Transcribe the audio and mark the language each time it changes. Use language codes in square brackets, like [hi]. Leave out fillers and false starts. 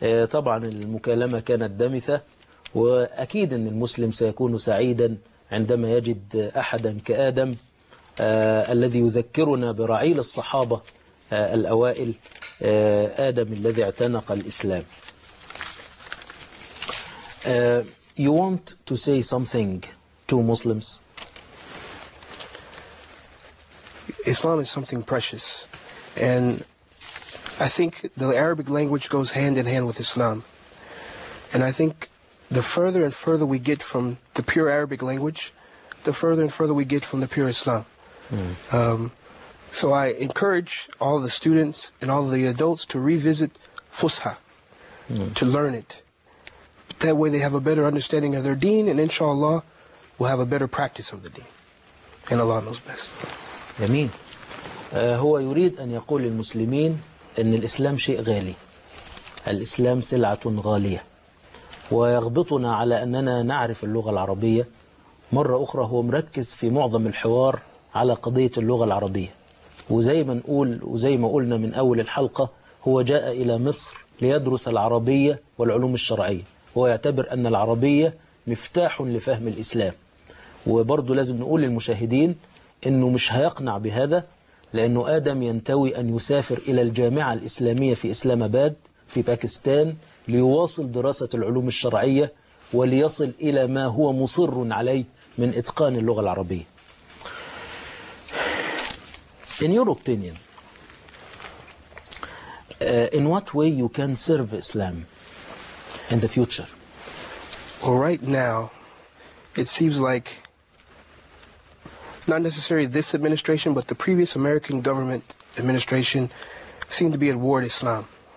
[ar] طبعا المكالمة كانت دمثة، وأكيد أن المسلم سيكون سعيدا عندما يجد أحدا كآدم الذي يذكرنا برعيل الصحابة الأوائل، آدم الذي اعتنق الإسلام. [en] You want to say something to Muslims? Islam is something precious, and I think the Arabic language goes hand in hand with Islam, and I think the further and further we get from the pure Arabic language, the further and further we get from the pure Islam. So I encourage all the students and all the adults to revisit Fusha, to learn it. That way they have a better understanding of their deen, and inshallah will have a better practice of the deen. And Allah knows best. Yameen. [ar] هو يريد أن يقول للمسلمين أن الإسلام شيء غالي. الإسلام سلعة غالية. ويغبطنا على أننا نعرف اللغة العربية. مرة أخرى هو مركز في معظم الحوار على قضية اللغة العربية، وزي ما نقول وزي ما قلنا من أول الحلقة، هو جاء إلى مصر ليدرس العربية والعلوم الشرعية، هو يعتبر أن العربية مفتاح لفهم الإسلام. وبرضو لازم نقول للمشاهدين أنه مش هيقنع بهذا، لأنه آدم ينتوي أن يسافر إلى الجامعة الإسلامية في إسلام أباد في باكستان ليواصل دراسة العلوم الشرعية، وليصل إلى ما هو مصر عليه من إتقان اللغة العربية. [en] In your opinion, in what way you can serve Islam in the future? Well, right now, it seems like not necessarily this administration, but the previous American government administration seemed to be at war with Islam.